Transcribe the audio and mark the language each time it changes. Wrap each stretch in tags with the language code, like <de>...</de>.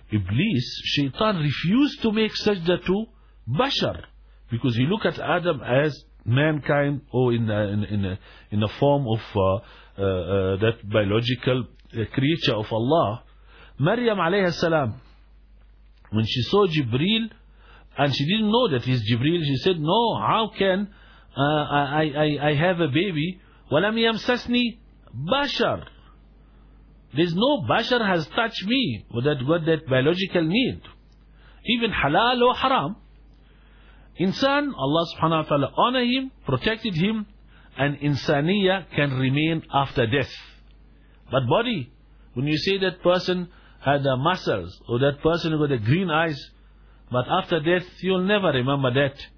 <en>Iblis, shaitan refused to make sajda to Bashar, because he looked at Adam as mankind or in a form of that biological creature of Allah. Maryam alayhi salam, when she saw Jibril, and she didn't know that he's Jibril, she said, no, how can I have a baby?</en> <ar>وَلَمْ يَمْسَسْنِي Bashar.</ar> <en>There's no Bashar has touched me, or that got that biological need. even halal or haram. Insan, Allah subhanahu wa ta'ala honor him, protected him, and insaniya can remain after death. But body, when you say that person had the muscles, or that person with the green eyes, but after death, you'll never remember that.</en>